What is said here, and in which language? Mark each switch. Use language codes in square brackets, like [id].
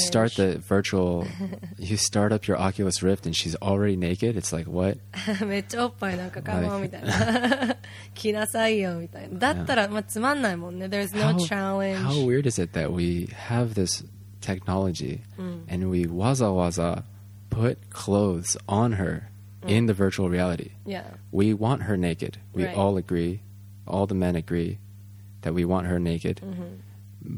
[en] You start the virtual, you start up your Oculus Rift and she's already naked. It's like, what? [ja] めっちゃおっぱいなんかかもみたいな。来なさいよみたいな。だったら、まあ、つまんないもんね。 [en] There's no challenge. How weird is it that we have this technology、 [ja] うん、 [en] and we わざわざ put clothes on her、うん、in the virtual reality? Yeah. We want her naked. We、 right. all agree. All the men agree that we want her naked.、 Mm-hmm.